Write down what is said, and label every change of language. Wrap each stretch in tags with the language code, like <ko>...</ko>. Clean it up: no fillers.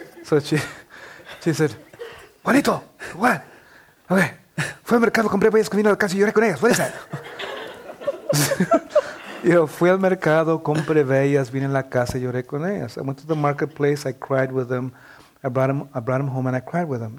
<en>So she said, "Juanito, Juan, okay.</en> <es>Fui al mercado, compré varias comidas, casi lloré con ellas.</es> <en>What is that?" You know,</en> <es>fui al mercado, compré bellas, vine en la casa, lloré con ellas.</es> <en>I went to the marketplace, I cried with them. I brought them home and I cried with them.</en>